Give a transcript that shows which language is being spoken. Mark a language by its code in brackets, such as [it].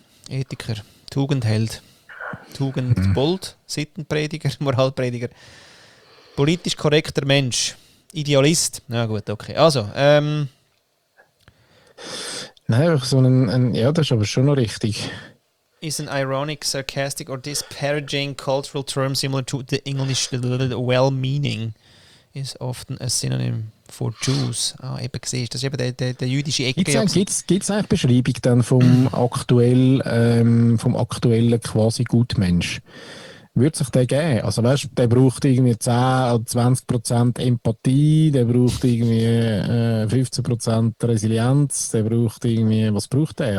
[de] Ethiker, Tugendheld. Tugendbold, Sittenprediger, Moralprediger. Politisch korrekter Mensch. Idealist. Na gut, okay. Also, Nein, so ein. Ja, das ist aber schon noch richtig. [en] Is an ironic, sarcastic or disparaging cultural term similar to the English well-meaning is often a synonym for Jews. [de] Ah, eben gesehen, das ist eben der jüdische Ecke. Gibt es eigentlich Beschreibung dann vom aktuellen quasi Gutmensch? würde sich der geben? Also weißt, der braucht irgendwie 10-20% Empathie, der braucht irgendwie 15% Resilienz, der braucht irgendwie, was braucht der?